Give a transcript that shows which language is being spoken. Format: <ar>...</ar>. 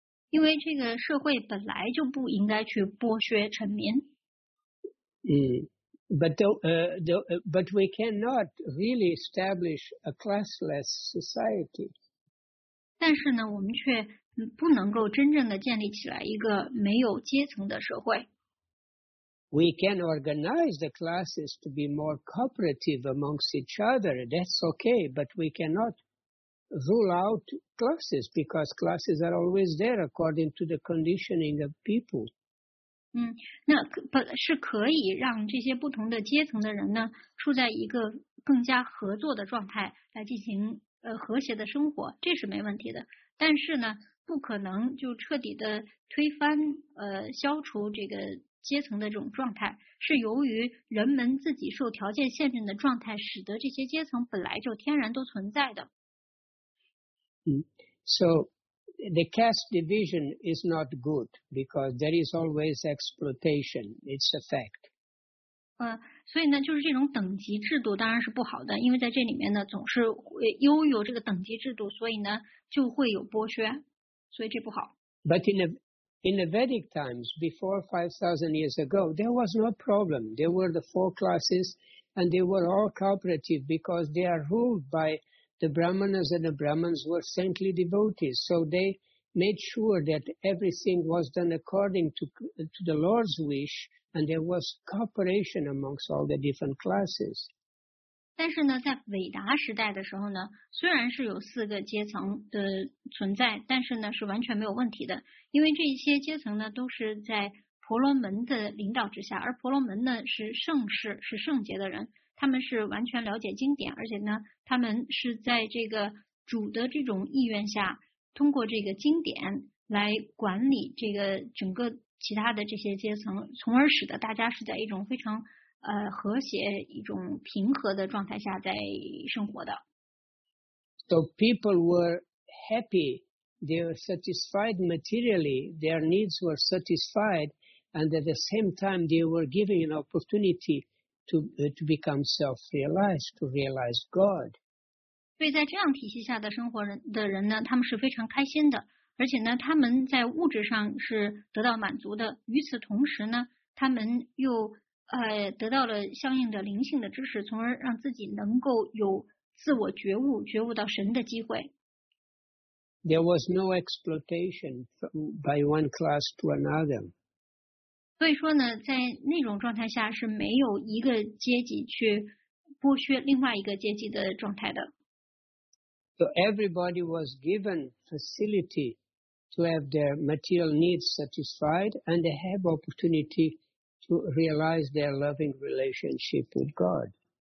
<zh>因为这个社会本来就不应该去剥削臣民。</zh> <en>But we cannot really establish a classless society.</en> <zh>但是呢，我们却不能够真正的建立起来一个没有阶层的社会。</zh> <en>We can organize the classes to be more cooperative amongst each other. That's okay, but we cannot rule out classes because classes are always there according to the conditioning of people.</en> <zh>那是可以让这些不同的阶层的人呢，处在一个更加合作的状态来进行和谐的生活，这是没问题的。但是呢。不可能就彻底的推翻消除这个阶层的这种状态，是由于人们自己受条件限制的状态，使得这些阶层本来就天然都存在的。</zh> <en>So the caste division is not good because there is always exploitation. It's a fact.</en> <zh>所以呢，就是这种等级制度当然是不好的，因为在这里面呢，总是拥有这个等级制度，所以呢就会有剥削。所以这不好。</zh> <en>But in the Vedic times, before 5,000 years ago, there was no problem. There were the four classes, and they were all cooperative because they are ruled by the Brahmanas, and the Brahmins were saintly devotees. So they made sure that everything was done according to the Lord's wish, and there was cooperation amongst all the different classes.</en> <zh>但是呢，在韦达时代的时候呢，虽然是有四个阶层的存在，但是呢是完全没有问题的，因为这些阶层呢都是在婆罗门的领导之下，而婆罗门呢是圣士，是圣洁的人，他们是完全了解经典，而且呢他们是在这个主的这种意愿下，通过这个经典来管理这个整个其他的这些阶层，从而使得大家是在一种非常和谐一种平和的状态下在生活的。</zh> <en>So people were happy, they were satisfied materially, their needs were satisfied, and at the same time they were given an opportunity to become self-realized, to realize God.</en> <zh>所以在这样体系下的生活的人呢，他们是非常开心的，而且呢，他们在物质上是得到满足的。与此同时呢，他们又得到了相应的灵性的知识，从而让自己能够有自我觉悟，觉悟到神的机会。</zh> <en>There was no exploitation by one class to another.</en> <zh>所以说呢，在那种状态下是没有一个阶级去剥削另外一个阶级的状态的。</zh> <en>So everybody was given facility to have their material needs satisfied and they have opportunity to realize their loving relationship with God.</en>